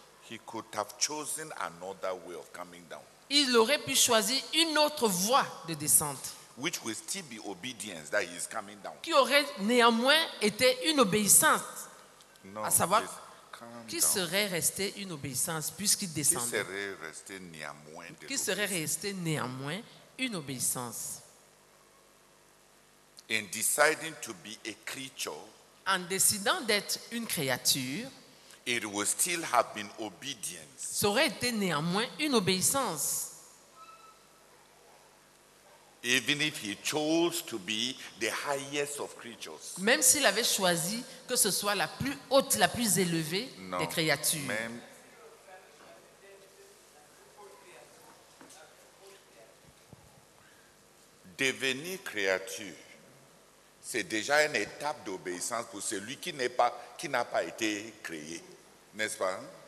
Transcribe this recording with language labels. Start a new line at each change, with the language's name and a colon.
English: he could have chosen another way of coming down.
French: Il aurait pu choisir une autre voie de descente.
English: Which will still be obedience that he is coming down.
French: Qui aurait néanmoins été une obéissance.
English: No,
French: à savoir, qui
English: down.
French: Serait resté une obéissance puisqu'il descendait. Qui serait resté néanmoins. Qui serait resté néanmoins une obéissance.
English: In deciding to be a creature.
French: En décidant d'être une créature.
English: It will still have been obedience.
French: Ça aurait été néanmoins une obéissance.
English: Even if he chose to be the highest of creatures.
French: Même s'il avait choisi que ce soit la plus haute, la plus élevée non, des créatures. Même, devenir créature, c'est déjà une étape d'obéissance pour celui qui n'a pas été créé, n'est-ce pas?